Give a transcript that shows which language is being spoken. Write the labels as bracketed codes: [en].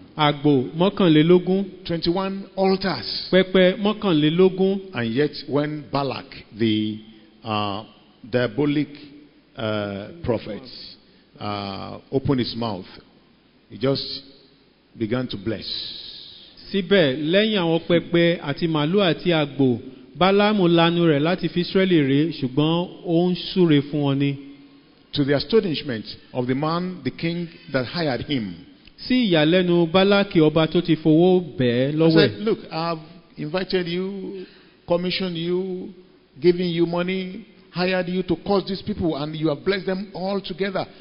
[yo] Àgbò mọ́kànlélógún. [en] 21 altars. [yo] Pẹpẹ mọ́kànlélógún. [en] And yet when Balak the diabolic prophet opened his mouth he just began to bless. [yo] Síbẹ̀ lẹ́yìn àwọn pẹpẹ àti màálù àti àgbò Bálámù lanu rẹ̀ láti fi Israẹli rè ṣùgbọ́n ó ń súre fún wọn ni. [en] To the astonishment of the man the king that hired him. [yo] Sí ìyàlẹ́nu Bálákì ọba tó ti fowó bẹ̀ẹ́ lọ́wọ́. [en] He said, look, I've invited you, commissioned you, given you money, hired you to cause these people and you have blessed them all together.